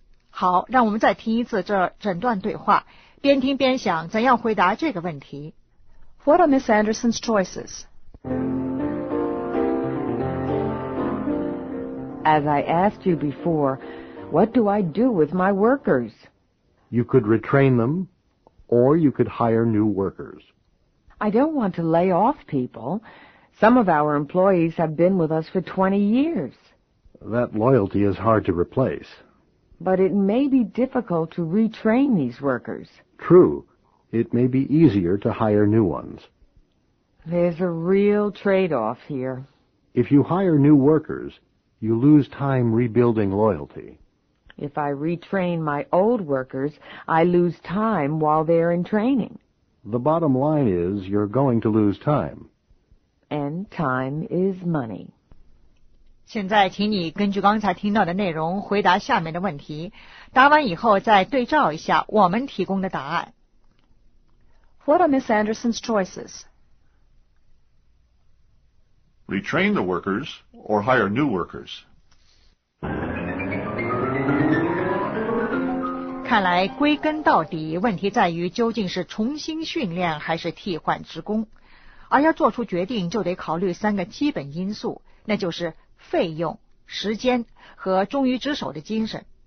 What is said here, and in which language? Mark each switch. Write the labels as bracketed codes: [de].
[zh] 好，让我们再听一次这整段对话，边听边想怎样回答这个问题。 [en] What are Miss Anderson's choices? As I asked you before, what do I do with my workers? You could retrain them, or you could hire new workers. I don't want to lay off people. Some of our employees have been with us for 20 years. That loyalty is hard to replace. But it may be difficult to retrain these workers. True. It may be easier to hire new ones. There's a real trade-off here. If you hire new workers... You lose time rebuilding loyalty. If I retrain my old workers, I lose time while they're in training. The bottom line is, you're going to lose time. And time is money. [zh] 现在请你根据刚才听到的内容回答下面的问题，答完以后再对照一下我们提供的答案。 [en] What are Miss Anderson's choices? Retrain the workers or hire new workers. [zh] 看来归根到底，问题在于究竟是重新训练还是替换职工。而要做出决定，就得考虑三个基本因素，那就是费用、时间和忠于职守的精神。